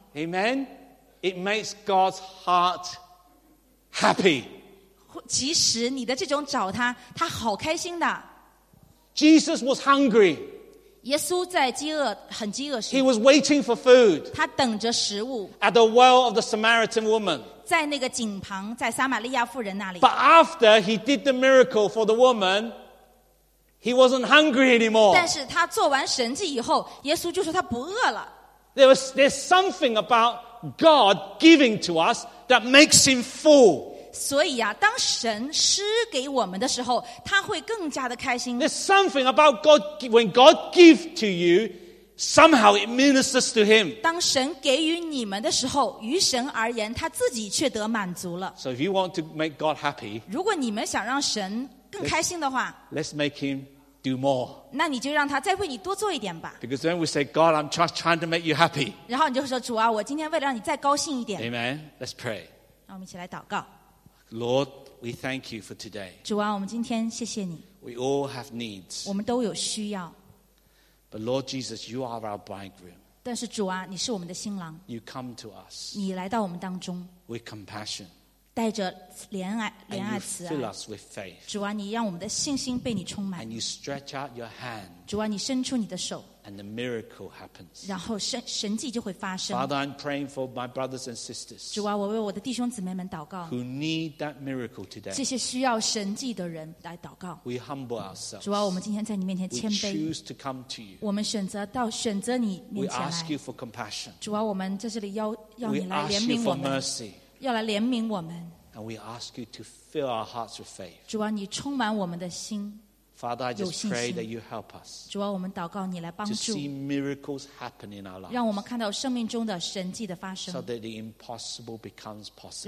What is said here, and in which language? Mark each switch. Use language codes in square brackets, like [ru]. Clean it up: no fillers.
[en] Amen, it makes God's heart happy. [zh] 其实你的这种找他他好开心的 [en] Jesus was hungry [zh] 耶稣在饥饿很饥饿时 [en] He was waiting for food [zh] 他等着食物 [en] At the well of the Samaritan woman [zh] 在那个井旁在撒玛利亚妇人那里 [en] But after he did the miracle for the woman He wasn't hungry anymore [zh] 但是他做完神迹以后耶稣就说他不饿了 [en] There's something about God giving to us that makes him full [zh] 所以啊，当神施给我们的时候，他会更加的开心。 [en] There's something about God when God gives to you, somehow it ministers to Him. [zh] 当神给予你们的时候，于神而言，他自己却得满足了。 [en] So if you want to make God happy, [zh] 如果你们想让神更开心的话 [en] ，Let's make Him do more. [zh] 那你就让他再为你多做一点吧。 [en] Because then we say, God, I'm just trying to make you happy. [zh] 然后你就说，主啊，我今天为了让你再高兴一点。 [en] Amen. Let's pray. [zh] 那我们一起来祷告。 [en] Lord, we thank you for today. [zh] 主啊，我们今天谢谢你。 [en] We all have needs. [zh] 我们都有需要。 [en] But Lord Jesus, you are our bridegroom. [zh] 但是主啊，你是我们的新郎。 [en] You come to us. [zh] 你来到我们当中。 [en] With compassion. [zh] 带着怜爱、怜爱、慈爱。 [en] And you fill us with faith. [zh] 主啊，你让我们的信心被你充满。 [en] And you stretch out your hand. [zh] 主啊，你伸出你的手。 [en] And the miracle happens. [zh] 然后神迹就会发生。 [en] Father, I'm praying for my brothers and sisters. [zh] 主啊，我为我的弟兄姊妹们祷告。 [en] Who need that miracle today? [zh] 这些需要神迹的人来祷告。 [en] We humble ourselves. [zh] 主啊，我们今天在你面前谦卑。 [en] We choose to come to you. [zh] 我们选择到选择你面前来。 [en] We ask you for compassion. [zh] 主啊，我们在这里要你来怜悯我们。 [en] We ask you for mercy. [zh] 要来怜悯我们。 [en] And we ask you to fill our hearts with faith. [zh] 主啊，你充满我们的心。 [en] Father, I just pray that you help us. [zh] 主啊，我们祷告你来帮助。 [en] To see miracles happen in our lives. [zh] 让我们看到生命中的神迹的发生。 [en] So that the impossible becomes possible.